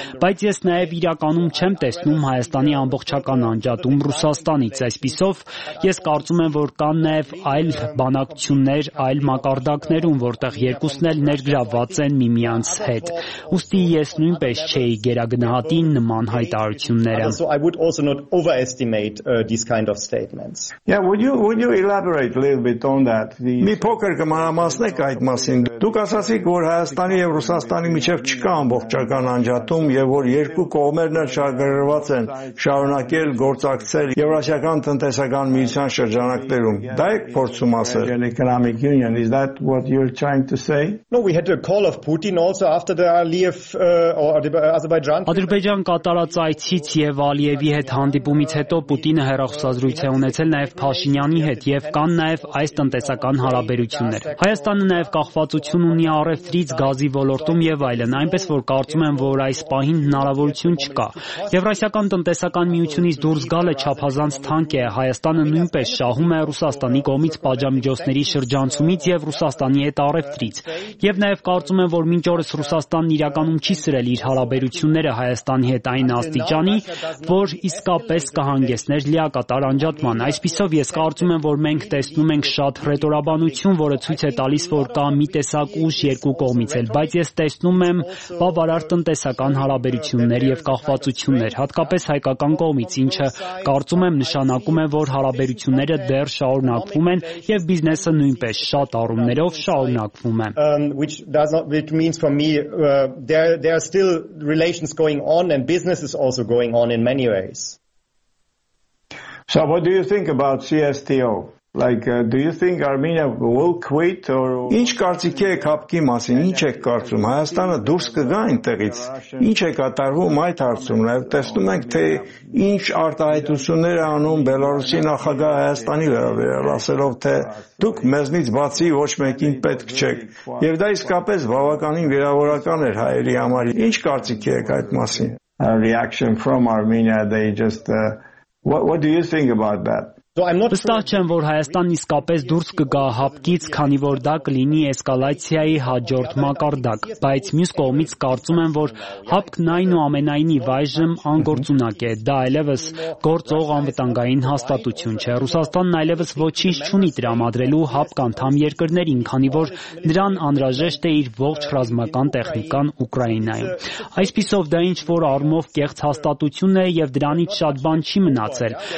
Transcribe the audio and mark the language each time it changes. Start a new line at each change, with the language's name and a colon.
Armenian: բայց ես նաեւ իրականում չեմ տեսնում Հայաստանի ամբողջական անջատում Ռուսաստանից, այսպիսով ես կարծում եմ, որ կան նաև այլ բանակցություններ, այլ մակարդակներում, որտեղ երկուսն էլ ներգրավված են միմյանց հետ։ Ուստի ես նույնպես չէի գերագնահատի նման հայտարարությունները։
English: So I would also not overestimate these kind of statements. Yeah, would you elaborate a little bit on that?
Armenian: Մի փոքր կմանամասնեք այդ մասին։ Դուք ասացիք, որ Հայաստանի եւ Ռուսաստանի միջև չկա ամբողջական անջատում եւ որ երկու կողմերն էլ շահագրգռված են շարունակել գործակցել եվրասիական տնտեսական միության շրջանակներում։ Դա է փորձում ասել։
English: Economic Union, is that what you're trying to say? No, we had a call of Putin also after the Aliyev or Azerbaijan.
Armenian: Ադրբեջան կատարած այցից եւ Ալիևի հետ հանդիպումից հետո Պուտինը հեռախոսազրույց է ունեցել նաեւ Փաշինյանի հետ եւ կան նաեւ այս տնտեսական հարաբերություններ։ Հայաստանը նաեւ կախվածություն ունի առևտրից, գազի ոլորտում եւ այլն, այնպես որ կարծում եմ, որ այս պահին հնարավորություն չկա։ Եվրասիական տնտեսական միությունից դուրս գալը չափազանց թանկ է։ Հայաստանը նույնպես շահում է Ռուսաստանի կողմից պատժամիջոցների շրջանցումից եւ Ռուսաստանի հետ առևտրից։ Եվ նաեւ կարծում եմ, որ մինչ օրս Ռուսաստանն իրականում չի սրել իր հարաբերությունները Հայաստանի հետ այն աստիճանի, որ իսկապես կհանգեսներ լիակատար անջատման։ Այսպիսով ես կարծում եմ, որ մենք տեսնում ենք շատ ռետորաբանություն, որը ցույց է տալիս, որ կա մի տեսակ ուժ երկու կողմից էլ, բայց ես տեսնում եմ բավարար տնտեսական հարաբերություններ եւ կախվածություններ, հատկապես հայկական կողմից, ինչը կարծում եմ նշանակում է, որ հարաբերությունները դեռ շարունակվում են եւ բիզնեսը նույնպես շատ առումներով շարունակվում է։
English: Which does not which means for me there are still relations going on and business is also going on in many ways. So what do you think about CSTO? Like do you think Armenia will quit or
Armenian: Ինչ կարծիք եք հապկի մասին, ինչ եք կարծում, Հայաստանը դուրս կգա այնտեղից, ինչ է կատարվում այդ հարցում, նաև տեսնում ենք թե ինչ արտահայտություններ է անում Բելարուսի նախագահ Հայաստանի վերաբերյալ, ասելով թե դուք մեզնից բացի ոչ մեկին պետք չեք, եւ դա իսկապես բավականին վիրավորական էր հայերի համար։ Ինչ կարծիք եք այդ մասին?
English: Reaction from Armenia, they just what do you think about that?
Armenian: Վստահ չեմ, որ Հայաստանն իսկապես դուրս կգա հապկից, քանի որ դա կլինի էսկալացիայի հաջորդ մակարդակ, բայց մյուս կողմից կարծում եմ, որ հապկն այնուամենայնիվ այժմ անգործունակ է, դա այլևս գործող անվտանգային հաստատություն չէ, Ռուսաստանն այլևս ոչինչ չունի տրամադրելու հապկ անդամ երկրներին, քանի որ նրան անհրաժեշտ է իր ողջ ռազմական տեխնիկան Ուկրաինայում։ Այսպիսով դա ինչ-որ արմով կեղծ հաստատություն է եւ դրանից շատ բան չի մնացել,